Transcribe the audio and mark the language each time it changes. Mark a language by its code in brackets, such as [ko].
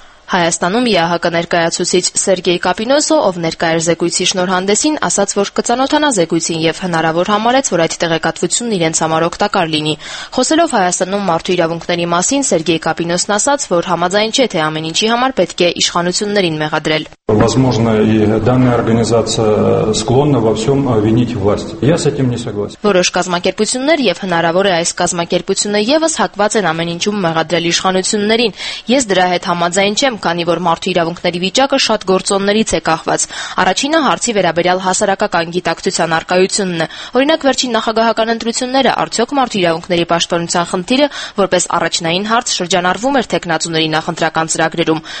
[hy] Հայաստանում ԵԱՀԿ ներկայացուցիչ Սերգեյ Կապինոսը, ով ներկայ էր զեկույցի շնորհանդեսին, ասաց, որ կցանոթանա զեկույցին եւ հնարավոր համարեց, որ այդ տեղեկատվությունն իրենց համար օգտակար լինի։ Խոսելով Հայաստանում մարդու իրավունքների մասին, Սերգեյ Կապինոսն ասաց, որ համաձայն չէ, թե ամեն ինչի համար պետք է իշխանություններին մեղադրել։ [ru] Возможно, и данная организация склонна во всем винить власть. Я с этим не согласен. [hy] Որոշ կազմակերպություններ եւ հնարավոր է այս կազմակերպությունը եւս հակված են ամեն ինչում մեղադրել իշխանություններին։ Ես դրա հետ համաձայն չեմ, քանի որ մարդու իրավունքների վիճակը շատ գործոններից է կախված։ Առաջինը հարցի վերաբերյալ հասարակական գիտակցության առկայությունն է։ Օրինակ, վերջին նախագահական ընտրությունները արդյոք մարդու իրավունքների պաշտպանության խնդիրը որպես առաջնային հարց շրջանառվում էր տեխնացուների նախընտրական ծրագրերում,